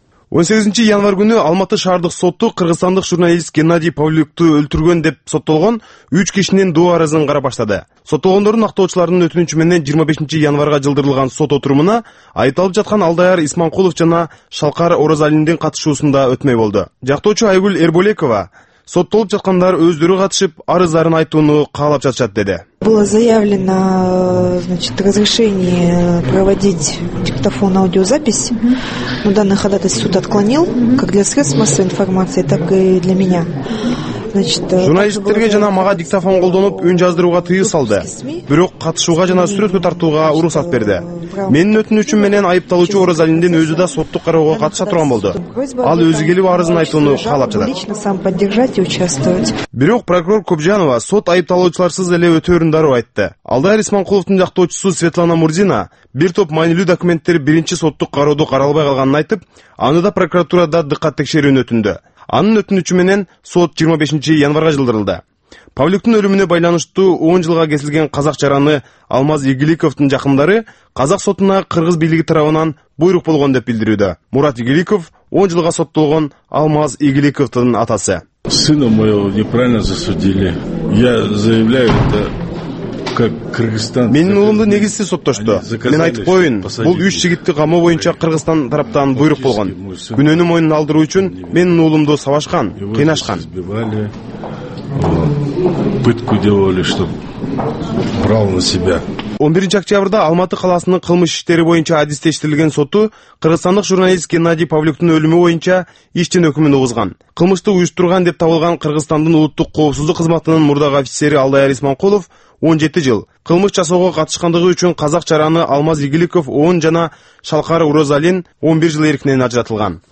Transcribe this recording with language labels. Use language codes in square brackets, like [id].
[ky] 18 январ күнү Алматы шаардык соту кыргызстандык журналист Геннадий Павлюкту өлтүргөн деп соттолгон 3 кишинин доо арызын кара баштады. Соттолгондордун актоочуларынын өтүнүчү менен 25 январга жылдырылган сот отурумуна айтылып жаткан Алдаяр Исманкулов жана Шалкар Оразалиндин катышуусунда өтмөй болду. Жактоочу Айгүл Эрболекова соттолуп жаткандар өздөрү катышып арыздарын айтууну каалап жатышат деди. [ru] Было заявлено, значит, разрешение проводить диктофон аудиозапись. Но данное ходатайство суд отклонил, как для средств массовой информации, так и для меня. [ky] Значит, журналисттерге жана мага диктофон колдонуп үн жаздырууга тыюу салды. Бирок катышууга жана сүрөткө тартууга уруксат берди. Менин өтүнүчүм менен айыпталуучу Оразалиндин өзү да соттук кароого катыша турган болду. Ал өзү келип арызын айтууну каалап жатат. [ru] Лично сам поддержать и участвовать. [ky] Бирок прокурор Кобжанова сот айыпталуучуларсыз эле өтөрүн дароо айтты. Алдаяр Исманкуловдун жактоочусу Светлана Мурзина бир топ маанилүү документтер биринчи соттук кароодо каралбай калганын айтып, аны да прокуратурада дыккат текшерүүнү өтүндү. Анын өтүнүчү менен сот 25 январга жылдырылды. Павликтин өлүмүнө байланыштуу 10 жылга кесилген казак жараны Алмаз Игиликовдун жакындары казак сотуна кыргыз бийлиги тарабынан буйрук болгон деп билдирүүдө. Мурат Игиликов 10 жылга соттолгон Алмаз Игиликовдун атасы. [ru] Сына моего неправильно засудили. Я заявляю это как Кыргызстан. [ky] Менин уулумду негизсиз соттошту. Мен айтып коёюн, бул 3 жигитти камоо боюнча Кыргызстан тараптан буйрук болгон. Күнөөнү мойнуна алдыруу үчүн менин уулумду сабашкан, кыйнашкан. [ru] Пытку делали, чтоб брал на себя. [ky] 11 октябрда Алматы каласынын кылмыш иштери боюнча адистештирилген соту кыргызстандык журналист Геннадий Павлюктун өлүмү боюнча иштин өкүмүн угузган. Кылмышты уюштурган деп табылган Кыргызстандын улуттук коопсуздук кызматынын мурдагы офицери Алдаяр Исманкулов 17 жыл. Кылмыш жасоого катышкандыгы үчүн казак жараны Алмаз Игиликов 10 жана Шалкар Урозалин 11 жыл эркинен ажыратылган.